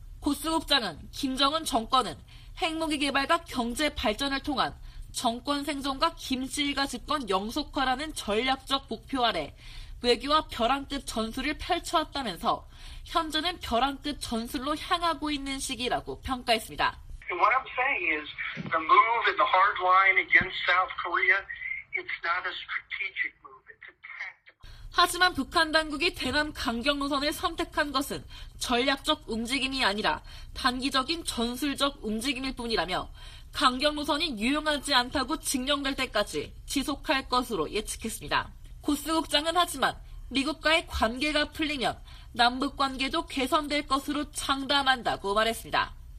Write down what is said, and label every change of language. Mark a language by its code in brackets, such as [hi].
[ko] 고스 국장은 김정은 정권은 핵무기 개발과 경제 발전을 통한 정권 생존과 김일가 집권 영속화라는 전략적 목표 아래 외교와 벼랑끝 전술을 펼쳐왔다면서 현재는 벼랑끝 전술로 향하고 있는 시기라고 평가했습니다. [en] What I'm saying is the move in the hard line against South Korea, it's not a strategic move, it's a tactical. [ko] 하지만 북한 당국이 대남 강경 노선을 선택한 것은 전략적 움직임이 아니라 단기적인 전술적 움직임일 뿐이라며 강경 노선이 유용하지 않다고 증명될 때까지 지속할 것으로 예측했습니다. 고스 국장은 하지만 미국과의 관계가 풀리면 남북관계도 개선될 것으로 장담한다고 말했습니다.